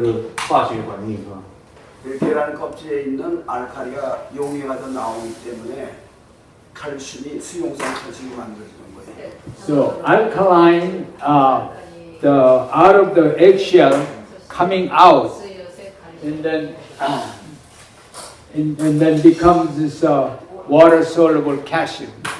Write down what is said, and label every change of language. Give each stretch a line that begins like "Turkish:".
Chinese: 那酸碱中和的时候，会起相当激烈的那个化学反应啊。
Korean: 계란껍질에 있는 알칼리가 용해가서 나오기 때문에 칼슘이 수용성 칼슘이 만들어지는 거예요.
English: So alkaline, the out of the eggshell coming out, and then becomes this water soluble calcium.